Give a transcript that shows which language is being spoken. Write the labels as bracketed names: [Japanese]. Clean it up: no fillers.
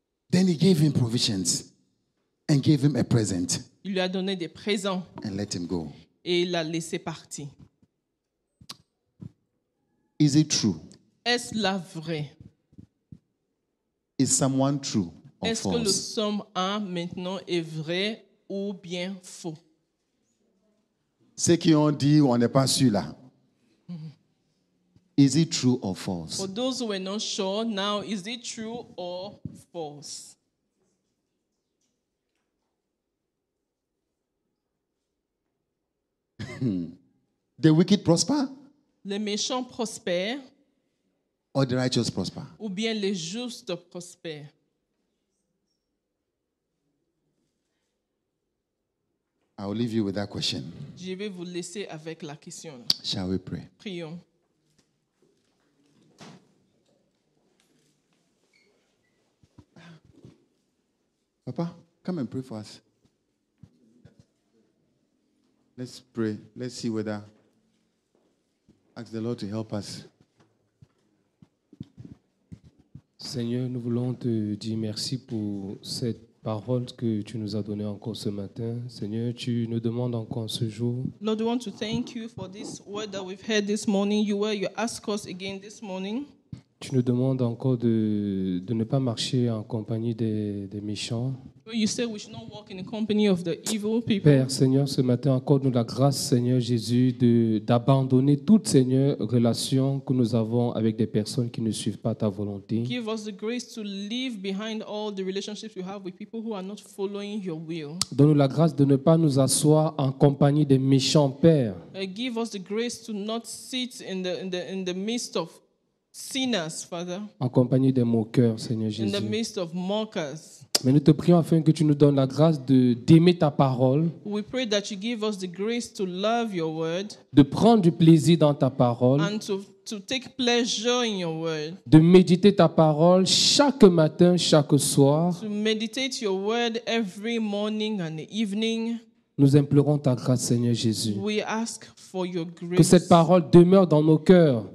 [English] Then he gave him provisions and gave him a present. [French] Il lui a donné des présents. [English] And let him go. [French] Et il l'a laissé partir. [English] Is it true? [French] Est-ce la vraie? [English] Is someone true or [French] est-ce [English] false? [French] Est-ce que le psaume 1 maintenant est vrai ou bien faux? Ce qui ont dit, on n'est pas sûr là. [English] Is it true or false? For those who are not sure, now, is it true or false? The wicked prosper? [French] Le méchant prospère. [English] Or the righteous prosper? [French] Ou bien le juste prospère. [English] I will leave you with that question. [French] Je vais vous laisser avec la question. [English] Shall we pray? [French] Prions. [English] Papa, come and pray for us. Let's pray. Let's see whether ask the Lord to help us. [French] Seigneur, nous voulons te dire merci pour cette parole que tu nous as donnée encore ce matin. Seigneur, tu nous demandes encore ce jour. [English] Lord, we want to thank you for this word that we've heard this morning. You ask us again this morning. [French] Tu nous demandes encore de ne pas marcher en compagnie des méchants. [English] You say we should not walk in the company of the evil people. [French] Père, Seigneur, ce matin, accorde-nous la grâce, Seigneur Jésus, d'abandonner toute, Seigneur, relation que nous avons avec des personnes qui ne suivent pas ta volonté. [English] Give us the grace to leave behind all the relationships we have with people who are not following your will. [French] Donne-nous la grâce de ne pas nous asseoir en compagnie des méchants, Père. [English] Give us the grace to not sit in the midst of sinners, Father. [French] En compagnie des moqueurs, Seigneur Jésus. [English] In the midst of mockers. [French] Mais nous te prions afin que tu nous donnes la grâce d'aimer ta parole. [English] We pray that you give us the grace to love your word. [French] De prendre du plaisir dans ta parole. [English] And to take pleasure in your word. [French] De méditer ta parole chaque matin, chaque soir. [English] To meditate your word every morning and evening. [French] Nous implorons ta grâce, Seigneur Jésus. [English] We ask for your grace. [French] Que cette parole demeure dans nos cœurs.